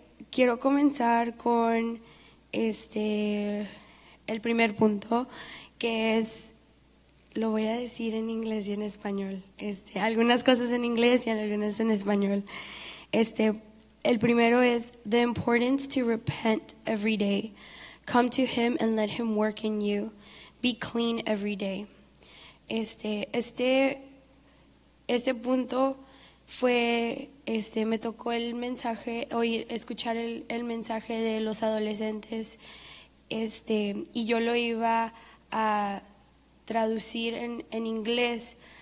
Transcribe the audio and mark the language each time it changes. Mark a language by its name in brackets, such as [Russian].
[Spanish] Quiero comenzar con el primer punto, que es, lo voy a decir en inglés y en español. Algunas cosas en inglés y algunas en español. El primero es, [English] the importance to repent every day. Come to him and let him work in you. Be clean every day. [Spanish] Este punto fue, me tocó el mensaje, oír, escuchar el mensaje de los adolescentes, y yo lo iba a traducir en inglés,